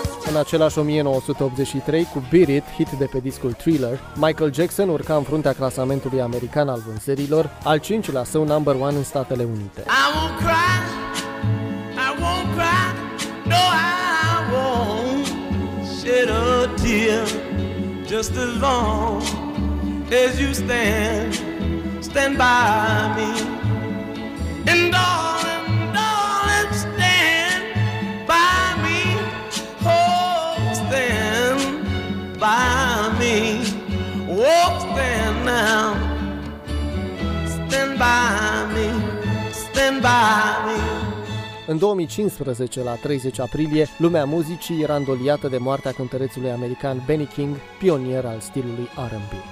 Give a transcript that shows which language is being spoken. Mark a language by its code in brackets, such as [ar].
[ro] În același 1983, cu Beat It, hit de pe discul Thriller, Michael Jackson urca în fruntea clasamentului american al vânzărilor, al cincilea său number one în Statele Unite. [en] I won't cry, I won't cry, no I won't shed a tear, just as long as you stand, stand by me, and darling, darling, stand by me, oh, stand by me, oh, stand now, stand by me, stand by me. [ro] În 2015, la 30 aprilie, lumea muzicii era îndoliată de moartea cântărețului american Benny King, pionier al stilului R&B.